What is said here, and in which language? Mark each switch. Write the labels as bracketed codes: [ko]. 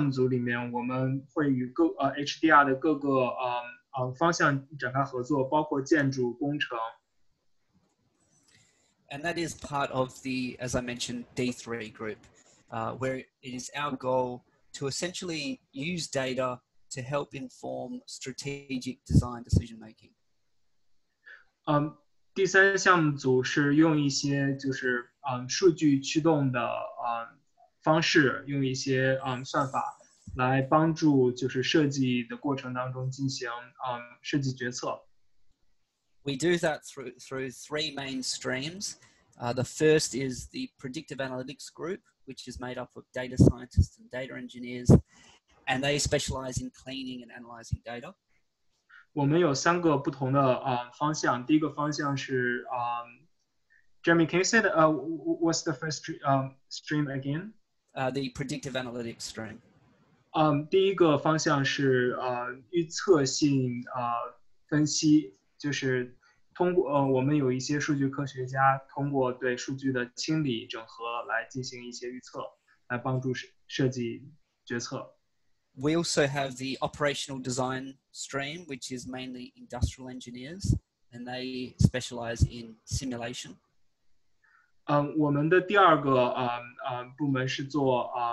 [zh] 在第三项目组里面，我们会与各 HDR 的各个 方向展开合作，包括建筑工程。 [en] And that is part of the, as I mentioned, D3 group, where it is our goal. To essentially use data to help inform strategic design decision making. [zh] 第三项目组是用一些就是 数据驱动的 方式, 用一些 算法 来帮助就是设计的过程当中进行 设计决策. [en] We do that through three main streams. The first is the predictive analytics group, which is made up of data scientists and data engineers, and they specialize in cleaning and analyzing data. [zh] 我们有三个不同的 方向, 第一个方向是, [en] Jeremy, can you say that, what's the first stream again? The predictive analytics stream. [zh] 第一个方向是 预测性 分析, 就是 通过我们有一些数据科学家通过对数据的清理整合来进行一些预测，来帮助设计决策。 [en] We also have the operational design stream, which is mainly industrial engineers, and they specialize in simulation. [zh] 我们的第二个 部门是做